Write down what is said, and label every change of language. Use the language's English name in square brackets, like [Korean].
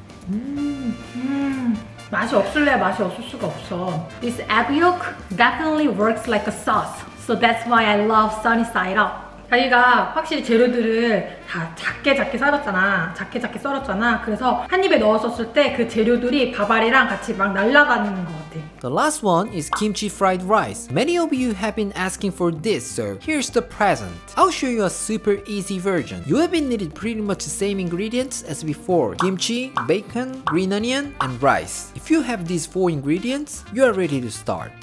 [Korean] Mmm, 맛이 없을래야 맛이 없을 수가 없어. [English] This egg yolk definitely works like a sauce. So that's why I love sunny side up. [Korean] 자기가 확실히 재료들을 다 작게 작게 썰었잖아. 작게 작게 썰었잖아. 그래서 한 입에 넣었었을 때 그 재료들이 밥알이랑 같이 막 날아가는 것 같아. [English] The last one is kimchi fried rice. Many of you have been asking for this, so here's the present. I'll show you a super easy version. You have been needed pretty much the same ingredients as before. Kimchi, bacon, green onion, and rice. If you have these four ingredients, you are ready to start.